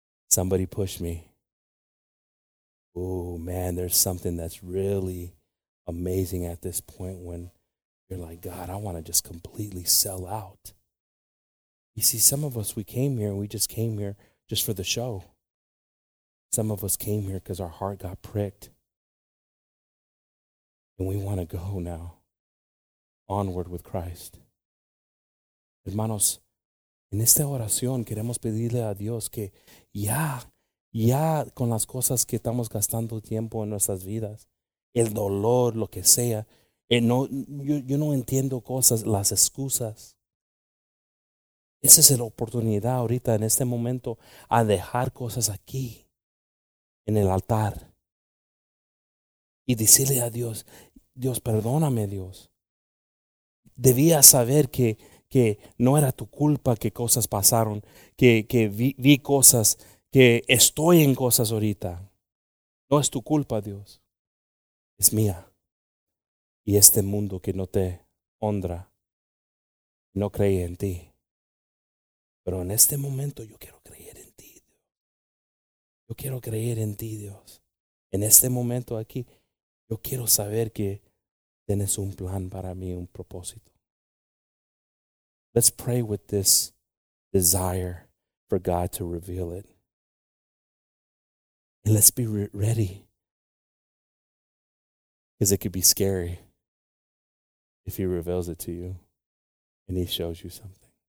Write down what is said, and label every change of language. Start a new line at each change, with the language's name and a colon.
English: Somebody push me. Oh man, there's something that's really amazing at this point when you're like, God, I want to just completely sell out. You see, some of us, we came here, we just came here just for the show. Some of us came here because our heart got pricked. And we want to go now onward with Christ.
Spanish: Hermanos, en esta oración queremos pedirle a Dios que ya con las cosas que estamos gastando tiempo en nuestras vidas, el dolor, lo que sea, Yo no entiendo cosas, las excusas. Esa es la oportunidad ahorita, en este momento, a dejar cosas aquí, en el altar. Y decirle a Dios, Dios, perdóname, Dios. Debía saber que no era tu culpa que cosas pasaron, que vi cosas, que estoy en cosas ahorita. No es tu culpa, Dios. Es mía. Y este mundo que no te honra, no cree en ti. Pero en este momento yo quiero creer en ti, Dios. Yo quiero creer en ti, Dios. En este momento aquí, yo quiero saber que tienes un plan para mí, un propósito.
English: Let's pray with this desire for God to reveal it. And let's be ready. Because it could be scary. If he reveals it to you and he shows you something.